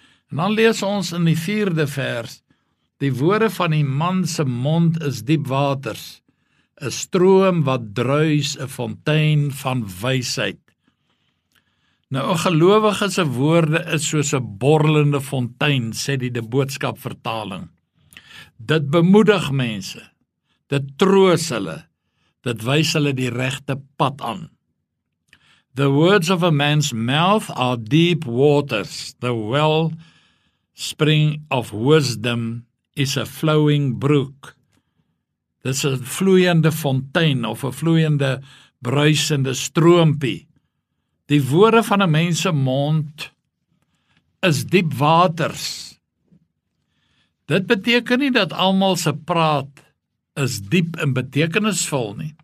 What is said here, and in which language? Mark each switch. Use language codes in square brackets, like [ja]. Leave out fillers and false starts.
[af] En dan lees ons in die 4de vers, die woorde van die man se mond is diep waters, 'n stroom wat druis, 'n fontein van wysheid. Nou, 'n gelowige se woorde is soos 'n borrelende fontein, sê die De Boodskap vertaling. Dit bemoedig mense, dit troos hulle, dit wys hulle die regte pad aan. [en] The words of a man's mouth are deep waters. The well spring of wisdom is a flowing brook. [af] Dis 'n vloeiende fontein of 'n vloeiende bruisende stroompie. Die woorde van 'n mens se mond is diep waters. Dit beteken nie dat almal se praat is diep en betekenisvol nie.